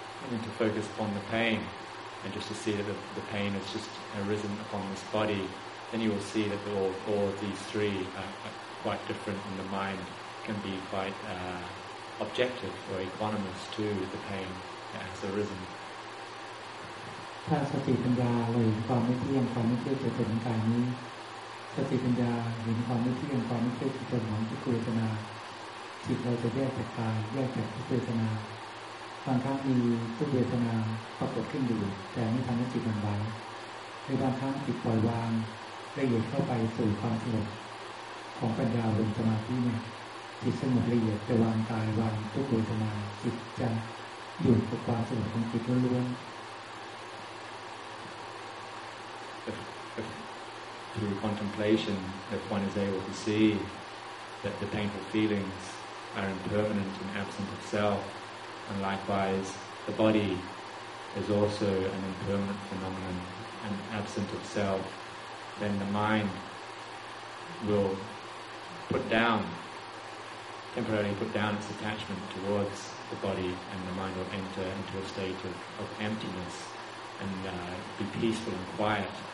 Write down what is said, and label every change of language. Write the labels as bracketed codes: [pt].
[en] then to focus upon the pain, and just to see that the pain has just arisen upon this body, then you will see that all of these three are quite different, and the mind can be quite objective or equanimous to the pain that has arisen. [th] ถ้าสติปัญญาเห็นความไม่เที่ยงความไม่เที่ยงเกิดขึ้นกายนี้สติปัญญาเห็นความไม่เที่ยงความไม่เที่ยงเกิดของทุกขเวทนาจิตเราจะแยกจากกายแยกจากทุกขเวทนาบางครั้งมีทุกขเวทนาปรากฏขึ้นอยู่แต่ไม่ทำให้จิตมันไหวในบางครั้งจิตปล่อยวางละเอียดเข้าไปสู่ความสงบของปัญญาบนสมาธิเนี่ยจิตสงบละเอียดจะวางกายวางทุกขเวทนาจิตจะอยู่กับความสงบของจิตล้วน [en] Through contemplation, if one is able to see that the painful feelings are impermanent and absent of self, and likewise the body is also an impermanent phenomenon and absent of self, then the mind will temporarily put down its attachment towards the body, and the mind will enter into a state of emptiness and be peaceful and quiet.